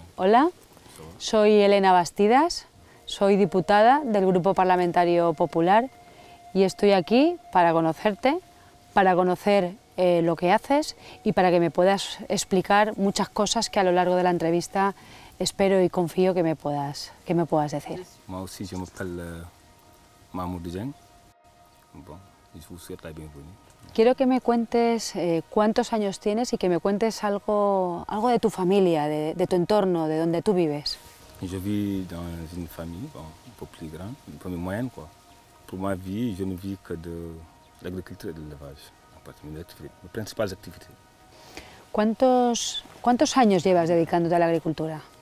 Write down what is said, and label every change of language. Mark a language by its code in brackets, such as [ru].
[es] Hola, soy Elena Bastidas, soy diputada del Grupo Parlamentario Popular y estoy aquí para conocerte, para conocer lo que haces y para que me puedas explicar muchas cosas que a lo largo de la entrevista espero y confío que me puedas decir. [fr] Moi aussi, je m'appelle Mahmoud Dijen. Bon, je vous souhaite la bienvenue. [es] Quiero que me cuentes cuántos años tienes y que me cuentes algo de tu familia, de tu entorno, de donde tú vives. [fr] Je vis dans une famille bon, un peu plus grande, une famille moyenne quoi. Pour ma vie, je ne vis que de l'agriculture et de l'élevage, en particulier mes principales activités. [es] ¿Cuántos años llevas dedicándote a la agricultura?